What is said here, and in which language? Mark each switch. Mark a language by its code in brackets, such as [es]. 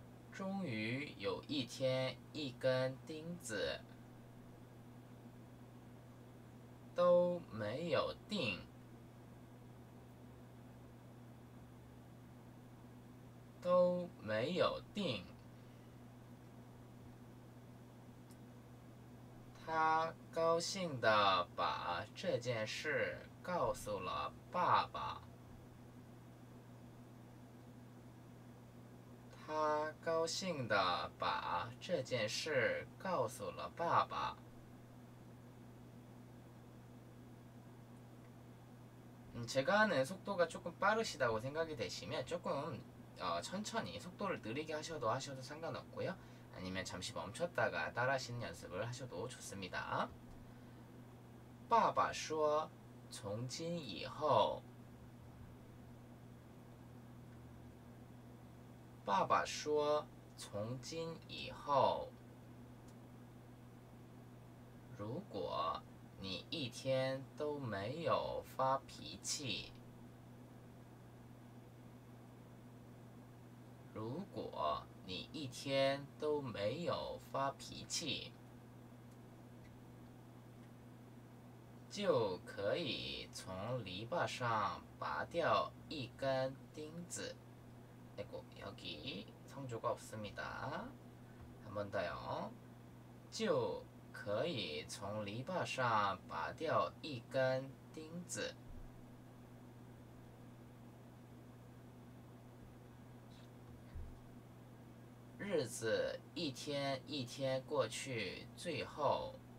[zh] 终于有一天，一根钉子都没有钉，都没有钉，他高兴地把这件事告诉了爸爸。他高兴地把这件事告诉了爸爸。 [ko] 제가 하는 속도가 조금 빠르시다고 생각이 되시면 조금 천천히 속도를 느리게 하셔도 상관없고요. 아니면 잠시 멈췄다가 따라하시는 연습을 하셔도 좋습니다. [zh] 爸爸说, 从今以后. 爸爸说, 从今以后, 如果你一天都没有发脾气，如果你一天都没有发脾气，就可以从篱笆上拔掉一根钉子。哎，不， [ko] 여기 성조가 없습니다. 한번더요. [zh] 就可以从篱笆上拔掉一根钉子，日子一天一天过去，最后，